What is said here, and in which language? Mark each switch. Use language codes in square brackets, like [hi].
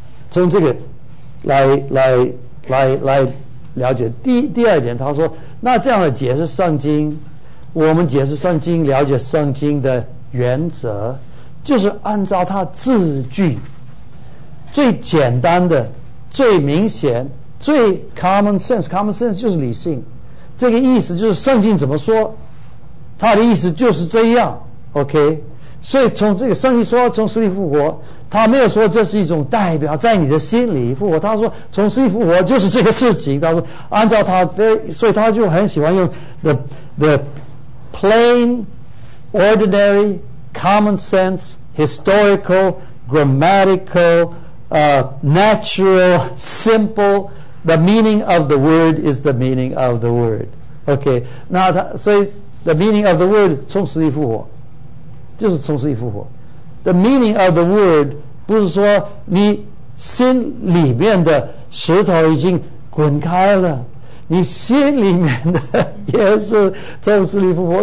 [zh] 从这个来了解第二点，他说那这样的解释圣经，我们解释圣经了解圣经的原则，就是按照它字句最简单的、最明显、最 common sense， common sense 就是理性，这个意思就是圣经怎么说，它的意思就是这样。 OK， 所以从这个圣经说从死里复活，他没有说这是一种代表在你的心里复活，他说从死里复活就是这个事情。他说按照他，所以他就很喜欢用 [en] the plain ordinary common sense historical grammatical natural simple the meaning of the word is the meaning of the word. [zh] OK， 那他所以 [en] the meaning of the word [zh] 从死里复活就是从死里复活。 [en] The meaning of the word [zh] 不是说你心里面的石头已经滚开了，你心里面的也是从死里复活。